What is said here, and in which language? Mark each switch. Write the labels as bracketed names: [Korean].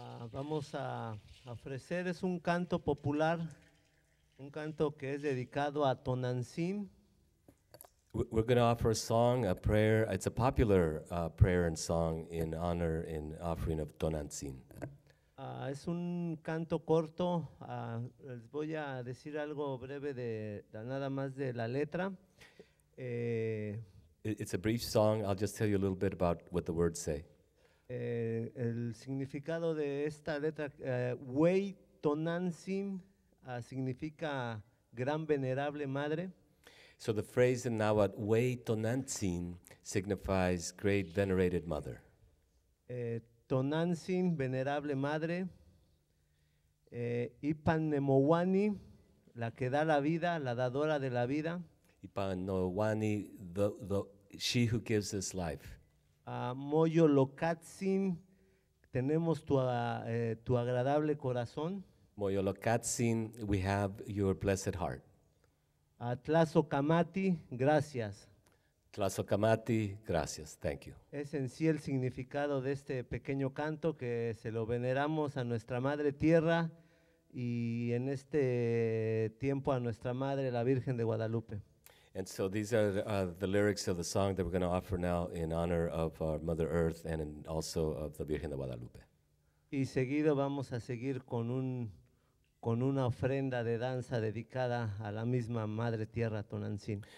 [Spanish] Vamos a ofrecer es un canto popular, un canto que es dedicado a Tonantzin. [English] We're going to offer a song, a prayer. It's a popular prayer and song in honor and offering of Tonantzin. [Spanish] Es un canto corto. Les voy a decir algo breve de nada más de la letra. [English] It's a brief song. I'll just tell you a little bit about what the words say. [Spanish] El significado de esta letra, [Nahuatl languages] Wey Tonantzin, [Spanish] significa gran venerable madre. [English] So the phrase in Nahuatl, [Nahuatl languages] Wey Tonantzin, [English] signifies great venerated mother. [Spanish] Tonantzin, venerable madre. [Nahuatl languages] Ipan Nemowani, [Spanish] la que da la vida, la dadora de la vida. [English] Ipanowani, the she who gives us life. [Nahuatl languages] Moyo Lokatzin, [Spanish] tenemos tu agradable corazón. [Nahuatl languages] Moyo Lokatzin, [English] we have your blessed heart. [Nahuatl languages] Tlaso Kamati, [Spanish] gracias. [Nahuatl languages] Tlaso Kamati, [Spanish] gracias. [English] Thank you. [Spanish] Es en sí el significado de este pequeño canto que se lo veneramos a nuestra madre tierra y en este tiempo a nuestra madre la Virgen de Guadalupe. [English] And so these are the lyrics of the song that we're going to offer now in honor of our Mother Earth and also of the Virgen de Guadalupe. [Spanish] Y seguido vamos a seguir con una ofrenda de danza dedicada a la misma Madre Tierra Tonantzin.